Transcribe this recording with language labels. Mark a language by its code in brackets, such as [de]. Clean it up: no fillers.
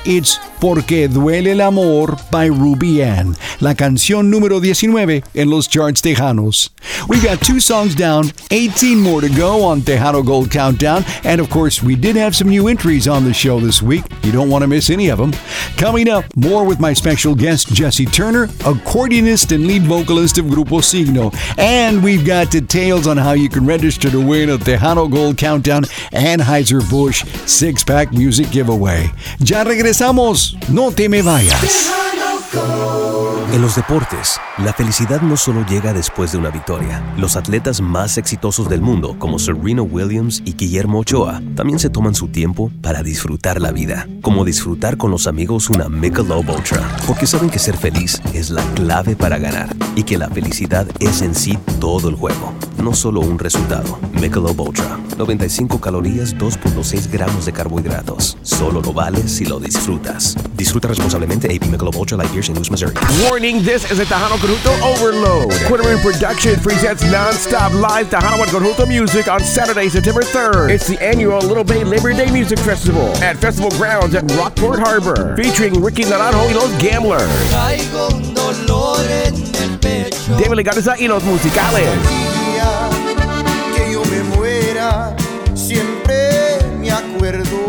[en] It's Porque Duele el Amor by Ruby Ann, [es] la canción número 19 en los charts tejanos. [en] We've got 2 songs down, 18 more to go on Tejano Gold Countdown. And of course, we did have some new entries on the show this week. You don't want to miss any of them. Coming up, more with my special guest, Jesse Turner, accordionist and lead vocalist of Grupo Signo. And we've got details on how you can register to win a Tejano Gold Countdown Anheuser-Busch six-pack music giveaway. [es] Ya regresamos. No te me vayas. En los deportes, la felicidad no solo llega después de una victoria. Los atletas más exitosos del mundo, como Serena Williams y Guillermo Ochoa, también se toman su tiempo para disfrutar la vida. Como disfrutar con los amigos una Michelob Ultra. Porque saben que ser feliz es la clave para ganar. Y que la felicidad es en sí todo el juego. No solo un resultado. Michelob Ultra. 95 calorías, 2.6 gramos de carbohidratos. Solo lo vale si lo disfrutas. Disfruta responsablemente AP Michelob Ultra Light Beer, St. Louis, Missouri. [en] Warning, this is a Tejano Conjunto Overload. Quitterman Production presents non-stop live Tejano and Conjunto music on Saturday, September 3rd. It's the annual Little Bay Labor Day Music Festival at Festival Grounds at Rockport Harbor. Featuring Ricky Naranjo y Los Gamblers. [es] Caigo un dolor en el pecho. [en] David Legarza y Los Musicales. [es] Que yo me muera, siempre me acuerdo.